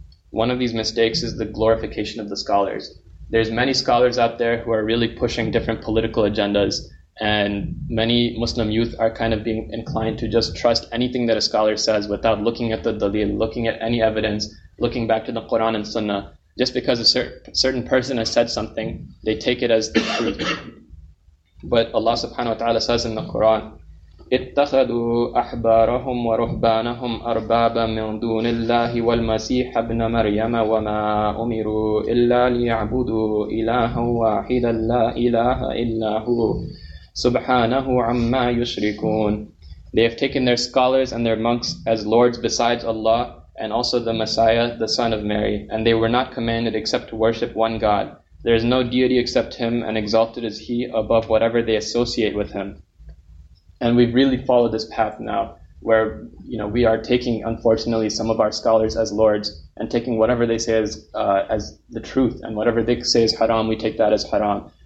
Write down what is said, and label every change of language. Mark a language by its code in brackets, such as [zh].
[en] One of these mistakes is the glorification of the scholars. There's many scholars out there who are really pushing different political agendas, and many Muslim youth are kind of being inclined to just trust anything that a scholar says without looking at the dalil, looking at any evidence, looking back to the Quran and Sunnah. Just because a certain person has said something, they take it as the truth. But Allah subhanahu wa ta'ala says in the Quran, [ar] اتخذوا أحبارهم ورهبانهم أربابا من دون الله والمسيح ابن مريم وما أمروا إلا ليعبدوا إلها واحدا لا إله إلا هو سبحانه عما يشركون. [en] They have taken their scholars and their monks as lords besides Allah, and also the Messiah, the son of Mary, and they were not commanded except to worship one God. There is no deity except him, and exalted is he above whatever they associate with him. And we've really followed this path now, where, you know, we are taking, unfortunately, some of our scholars as lords and taking whatever they say as the truth, and whatever they say is haram, we take that as haram.